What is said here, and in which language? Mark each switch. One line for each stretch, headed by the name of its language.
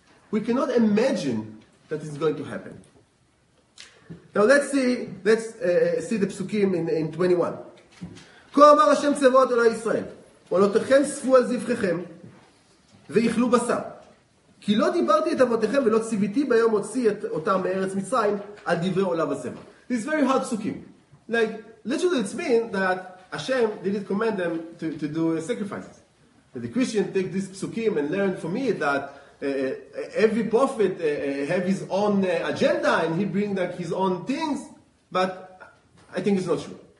English: We cannot imagine that it's going to happen. Now let's see the psukim in 21.
Hebrew: Kol amar Hashem tzevot Elohei Yisrael. עולותיכם ספו על זבחיכם ויאכלו בשר. כי לא דיברתי את אבותיכם ולא ציוויתי ביום הוציא את אותם מארץ מצרים על דברי עולה וזמה.
English: These very hard psukim. Like, literally it's mean that Hashem didn't command them to do sacrifices. The Christian take this psukim and learn from it that every prophet have his own agenda and he bring like his own things, but I think it's not true.